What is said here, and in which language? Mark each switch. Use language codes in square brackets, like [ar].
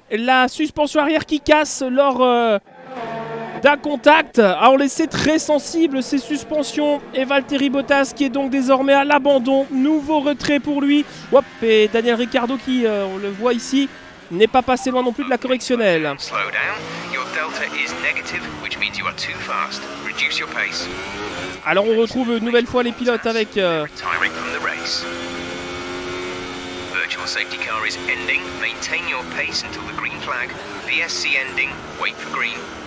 [fr] La suspension arrière qui casse lors d'un contact a laissé très sensible ces suspensions. Et Valtteri Bottas qui est donc désormais à l'abandon, nouveau retrait pour lui. Hop, et Daniel Ricciardo qui, on le voit ici, n'est pas passé loin non plus de la correctionnelle. [en] Slow down, your delta is negative, which means you are too fast. Reduce your pace. [fr] Alors on retrouve une nouvelle fois les pilotes avec... [en] Virtual safety car is ending. Maintain your pace until the green flag. VSC ending. Wait for green.